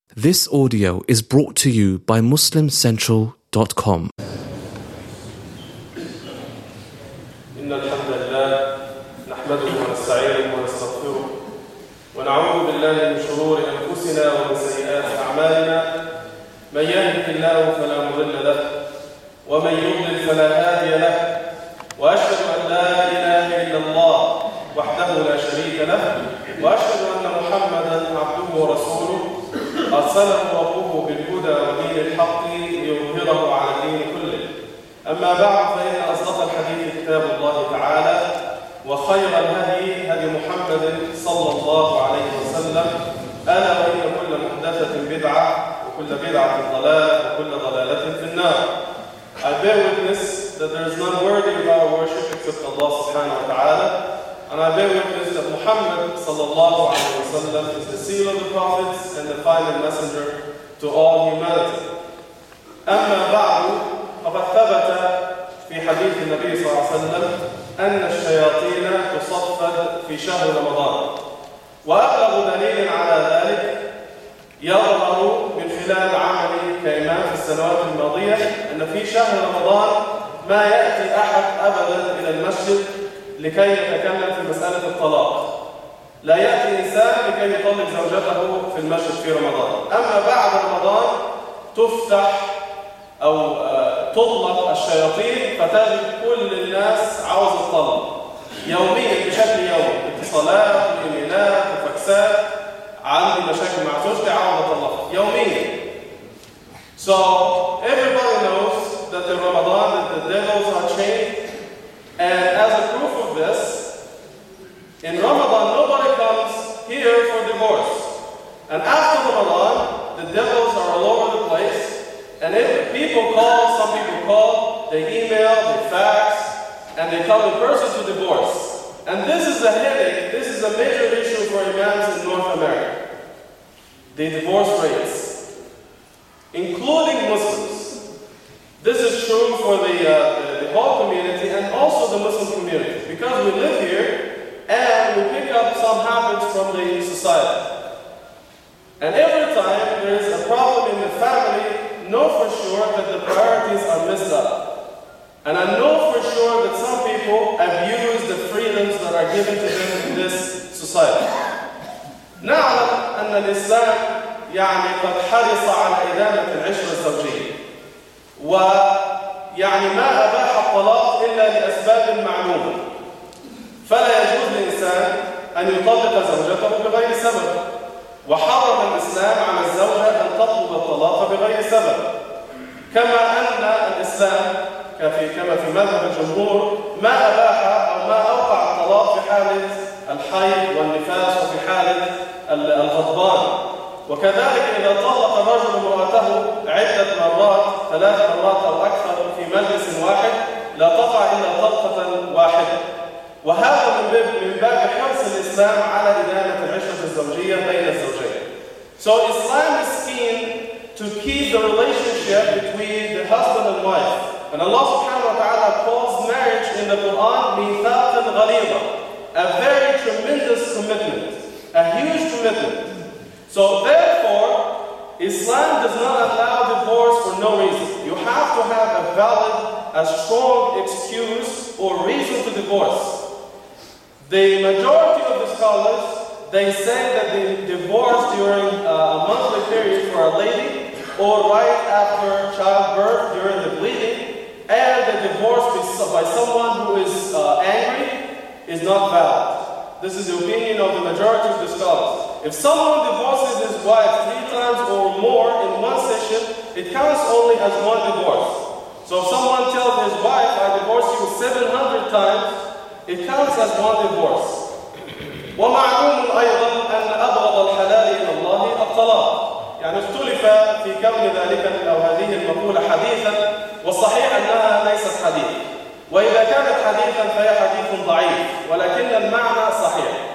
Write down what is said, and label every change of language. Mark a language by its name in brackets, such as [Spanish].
[English] This audio is brought to you by MuslimCentral.com. [Arabic] إن الحمد لله نحمده ونستعينه ونستغفره ونعوذ بالله من شرور أنفسنا ومن سيئات أعمالنا. من يهده الله فلا مضل له ومن يضلل فلا هادي له. وأشهد أن لا إله إلا الله وحده لا شريك له وأشهد أن محمدا عبده ورسوله أرسله ربه بالهدى ودين الحق ليظهره على الدين كله. أما بعد، فإن أصدق الحديث كتاب الله تعالى وخير الهدي هدي محمد صلى الله عليه وسلم. ألا وإن كل محدثة بدعة وكل بدعة ضلالة وكل ضلالة في النار. [English] I bear witness that there is none worthy of our worship except Allah [Arabic] سبحانه وتعالى. [English] And I bear witness that Muhammad [Arabic] sallallahu alayhi wa sallam [English] is the seal of the prophets and the final messenger to all humanity. [Arabic] أما بعد، فقد ثبت في حديث النبي صلى الله عليه وسلم أن الشياطين تصفد في شهر رمضان. وأبلغ دليل على ذلك يظهر من خلال عملي كإمام في السنوات الماضية أن في شهر رمضان ما يأتي أحد أبدا إلى المسجد لكي يتكلم في مسألة الطلاق. لا يأتي إنسان لكي يطلق زوجته في المسجد في رمضان. أما بعد رمضان تفتح أو تطلق الشياطين، فتجد كل الناس عاوز الطلاق يوميا بشكل يومي، اتصالات وإيميلات وفاكسات، عندي مشاكل مع زوجتي عاوز أطلق يوميا. [English] So everybody knows that in رمضان the devils are chained. And as a proof of this, in Ramadan nobody comes here for divorce. And after Ramadan, the devils are all over the place. And if people call, some people call, they email, they fax, and they tell the person to divorce. And this is a headache, this is a major issue for imams in North America. The divorce rates, including Muslims. This is true for the whole community and also the Muslim community, because we live here and we pick up some habits from the society. And every time there is a problem in the family, know for sure that the priorities are messed up. And I know for sure that some people abuse the freedoms that are given to them in this society. [Arabic] نعلم أن الإسلام يعني قد حرص على إدامة العشرة الزوجية. ويعني ما أباح الطلاق إلا لأسباب معلومة، فلا يجوز للإنسان أن يطلق زوجته بغير سبب، وحرم الإسلام على الزوجة أن تطلب الطلاق بغير سبب، كما أن الإسلام كما في مذهب الجمهور ما أباح أو ما أوقع الطلاق في حالة الحيض والنفاس وفي حالة الغضبان. وكذلك إذا طلق الرجل امرأته عدة مرات، ثلاث مرات أو أكثر في مجلس واحد، لا تقع إلا طلقة واحدة. وهذا من باب حرص الإسلام على إدامة العشرة الزوجية بين الزوجين. [English] So Islam is keen to keep the relationship between the husband and wife. And Allah [Arabic] subhanahu wa ta'ala [English] calls marriage in the Quran [Arabic] ميثاقا غليظا. [English] A very tremendous commitment. A huge commitment. So therefore, Islam does not allow divorce for no reason. You have to have a valid, a strong excuse or reason to divorce. The majority of the scholars, they say that they divorce during a monthly period for a lady, or right after childbirth during the bleeding, and the divorce by someone who is angry is not valid. This is the opinion of the majority of the scholars. If someone divorces his wife three times or more in one session, it counts only as one divorce. So if someone tells his wife, I divorced you 700 times, it counts as one divorce. [Arabic] ومعلوم أيضا أن أبغض الحلال إلى الله الطلاق. يعني اختلف في كون ذلك أو هذه المقولة حديثا، والصحيح أنها ليست حديث. وإذا كانت حديثا فهي حديث ضعيف، ولكن المعنى صحيح.